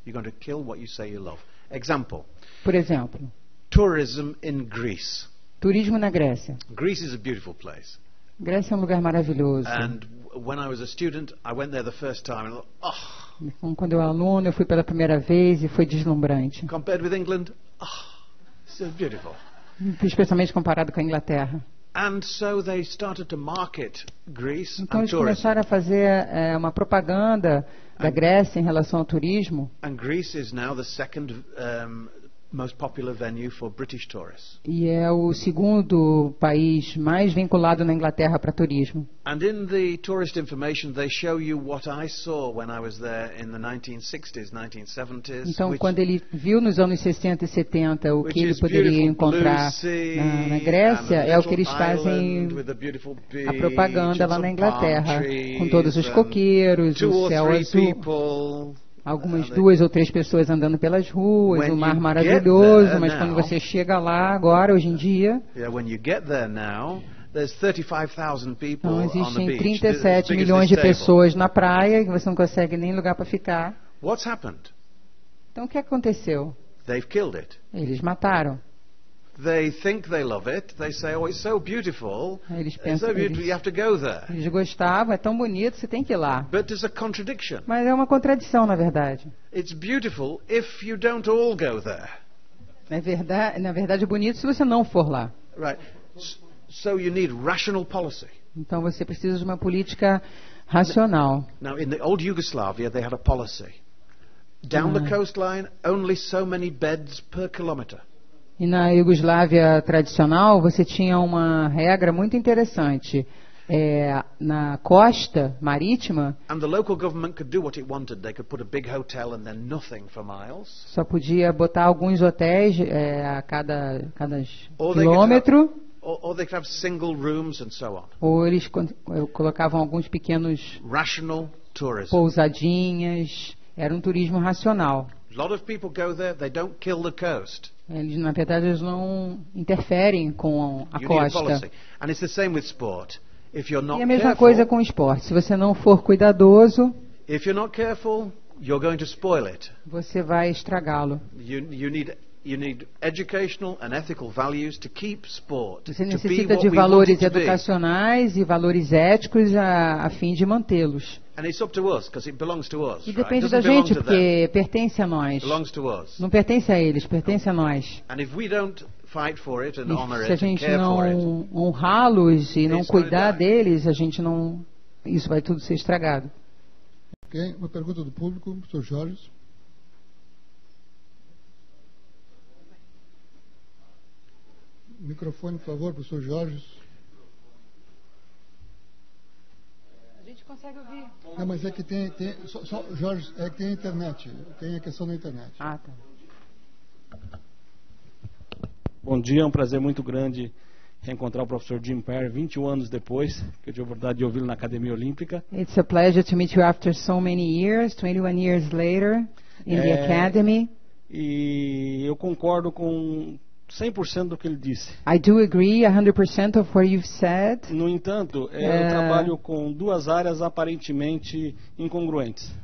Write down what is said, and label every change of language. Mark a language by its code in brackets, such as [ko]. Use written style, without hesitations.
[en] You're going to kill what you say you love. Example. [pt] Por exemplo. [en] Tourism in Greece. [pt] Turismo na Grécia. [en] Greece is a beautiful place. [pt] Grécia é um lugar maravilhoso. [en] And when I was a student, I went there the first time and [pt] Então, quando eu era aluno, eu fui pela primeira vez e foi deslumbrante. [en] Compared with England, so beautiful. [pt] Especialmente comparado com a Inglaterra. [en] And so they started to market Greece and tourism. [pt] Então eles começaram a fazer uma propaganda da Grécia em relação ao turismo. [en] And Greece is now the second most popular venue for British tourists. [pt] E é o segundo país mais vinculado na Inglaterra para turismo. [en] And in the tourist information they show you what I saw when I was there in the 1960s, 1970s. [pt] Então quando ele viu nos anos 60 e 70 o que ele poderia encontrar na Grécia é o que eles fazem a propaganda lá na Inglaterra com todos os coqueiros, o céu azul. Algumas duas ou três pessoas andando pelas ruas, o mar maravilhoso, mas quando você chega lá agora, hoje em dia, então existem 37 milhões de pessoas na praia e você não consegue nem lugar para ficar. Então o que aconteceu? Eles mataram. [en] They think they love it. They say, "Oh, it's so beautiful." [pt] Eles pensam, [en] you have to go there. [pt] Eles gostavam, é tão bonito, você tem que ir lá. [en] But it's a contradiction. [pt] Mas é uma contradição, na verdade. [en] It's beautiful if you don't all go there. [pt] Na verdade, é bonito se você não for lá. [en] Right. So you need rational policy. [pt] Então você precisa de uma política racional. [en] Now, in the old Yugoslavia, they had a policy. Down the coastline, only so many beds per kilometer. [pt] E na Iugoslávia tradicional, você tinha uma regra muito interessante. É, na costa marítima, [en] and the local government could do what it wanted. They could put a big hotel and then nothing for miles. [pt] Só podia botar alguns hotéis a cada quilômetro. [en] Or they could have single rooms and so on. [pt] Ou eles colocavam alguns pequenos [en] rational tourism. [pt] Pousadinhas. Era um turismo racional. [en] A lot of people go there, they don't kill the coast. [pt] Eles, na verdade, eles não interferem com a costa. [en] And it's the same with sport. If you're not [pt] e a mesma [en] careful, [pt] coisa com o esporte. Se você não for cuidadoso, [en] if you're not careful, you're going to spoil it. [pt] Você vai estragá-lo. [en] You need educational and ethical values to keep sport. [pt] Você necessita de valores educacionais e valores éticos a fim de mantê-los. [en] And it's up to us, because it belongs to us. [pt] E depende da gente, porque pertence a nós. [en] Belongs to us. [pt] Não pertence a eles, pertence a nós. [en] And if we don't fight for it and honor it, [pt] se a gente não honrá-los e não cuidar deles, a gente não, isso vai tudo ser estragado. Ok, uma pergunta do público, Sr. Jorge. Microfone, por favor, para o Sr. Jorge. A gente consegue ouvir. Não, mas é que tem só, Jorge, é que tem a internet. Tem a questão da internet. Ah, tá. Bom dia, é um prazer muito grande reencontrar o professor Jim Perry 21 anos depois, que eu tive a oportunidade de ouvi-lo na Academia Olímpica. [en] It's a pleasure to meet you after so many years, 21 years later, in the Academy. [pt] E eu concordo com 100% do que ele disse. [en] I do agree 100% of what you've said. [pt] No entanto, eu trabalho com duas áreas aparentemente incongruentes.